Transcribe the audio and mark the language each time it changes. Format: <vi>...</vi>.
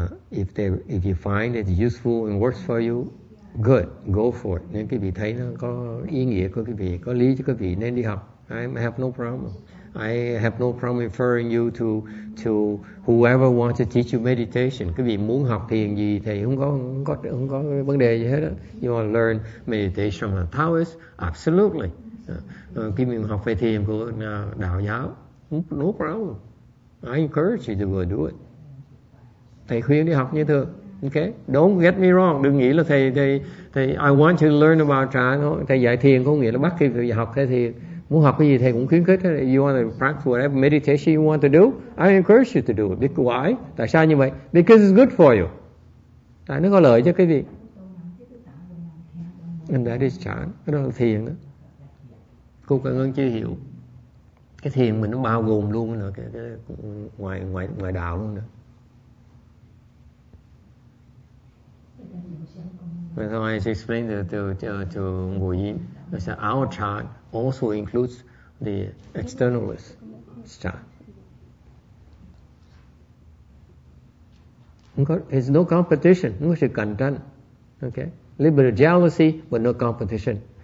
<en>If you find it useful and works for you, good, go for it.</en> <vi>Nếu quý vị thấy nó có ý nghĩa của quý vị, có lý cho quý vị nên đi học.</vi> <en>I have no problem referring you to whoever wants to teach you meditation.</en> <vi>Quý vị muốn học thiền gì thì không có vấn đề gì hết á.</vi> <en>You want to learn meditation from Taoist? Absolutely.</en> <vi>Quý vị học về thiền của đạo giáo?</vi> <en>No problem. I encourage you to go do it.</en> <vi>Thầy khuyên đi học như thường.</vi> <en>Okay, don't get me wrong.</en> <vi>Đừng nghĩ là thầy</vi> <en>I want you to learn about Chan.</en> <vi>Thầy dạy thiền có nghĩa là bắt quý vị học cái thiền. Muốn học cái gì thầy cũng khuyến khích.</vi> <en>You want to practice whatever meditation you want to do, I encourage you to do it. Why?</en> <vi>Tại sao như vậy?</vi> <en>Because it's good for you.</en> <vi>Tại nó có lợi cho cái gì.</vi> <en>And that is chán.</en> <vi>Đó là thiền đó. Cô cần ơn chưa hiểu. Cái thiền mình nó bao gồm luôn nữa, ngoài đạo luôn nữa.</vi> <en>So I explained to Ngô Yin, I said our chan also includes the externalist chan. There's no competition,</en> <vi>không có sự cạnh tranh.</vi> <en>Okay, little bit of jealousy, but no competition.</en>